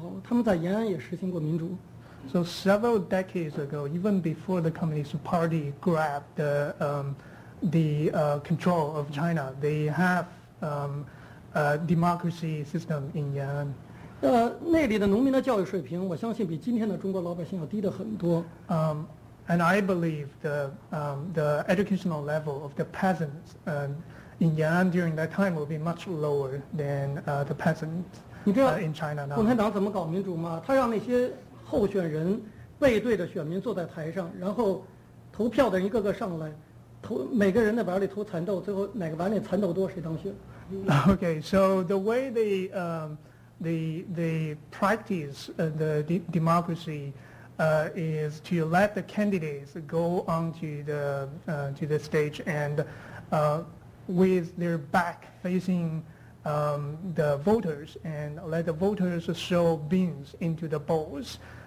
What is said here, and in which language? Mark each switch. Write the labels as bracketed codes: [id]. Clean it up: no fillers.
[zh] 几十年以前，当共产党还没夺得政权的时候，他们在延安也实行过民主。 [en] So several decades ago, even before the Communist Party grabbed the control of China, they have a democracy system in Yan'an. [zh] 那里的农民的教育水平，我相信比今天的中国老百姓要低得很多。 [en] And I believe the educational level of the peasants in Yan'an during that time will be much lower than the peasants in China now. [zh] 共产党怎么搞民主吗？他让那些 候选人背对着选民坐在台上，然后投票的人一个个上来，投每个人的碗里投蚕豆，最后哪个碗里蚕豆多谁当选 [en] ？Okay, so the way they practice the democracy is to let the candidates go onto the stage and with their back facing the voters and let the voters throw beans into the bowls.